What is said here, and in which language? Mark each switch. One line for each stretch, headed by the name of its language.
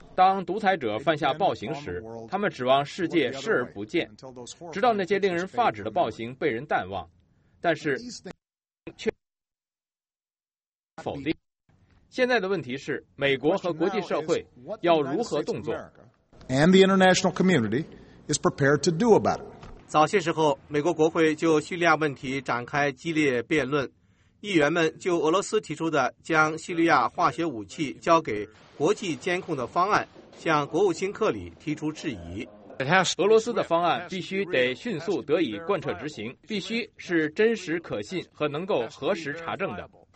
Chinese: 当独裁者犯下暴行时，他们指望世界视而不见，直到那些令人发指的暴行被人淡忘。但是却否定，现在的问题是美国和国际社会要如何动作。
English: And the international community is prepared to do about it.
Chinese: 早些时候，美国国会就叙利亚问题展开激烈辩论，议员们就俄罗斯提出的将叙利亚化学武器交给国际监控的方案向国务卿克里提出质疑。俄罗斯的方案必须得迅速得以贯彻执行，必须是真实可信和能够核实查证的。